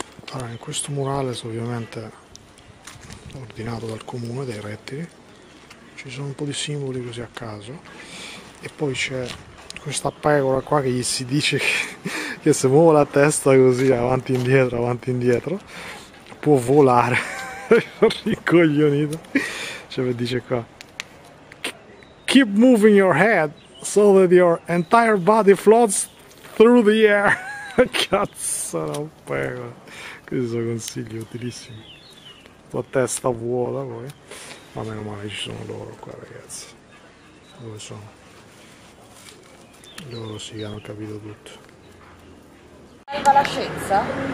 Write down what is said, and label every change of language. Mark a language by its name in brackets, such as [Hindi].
[Italian] Allora, in questo murales, ovviamente ordinato dal comune dei rettili, ci sono un po' di simboli così a caso, e poi c'è questa pecora qua che gli si dice che se muove la testa così avanti e indietro può volare. Ricoglionito, cioè, dice qua: [English] keep moving your head so that your entire body floats through the air. [Italian] Cazzo, non prego. Questi sono consigli utilissimi. La testa vuota poi. Ma meno male ci sono loro qua, ragazzi. Dove sono? Loro sì, hanno capito tutto. Salva la scienza.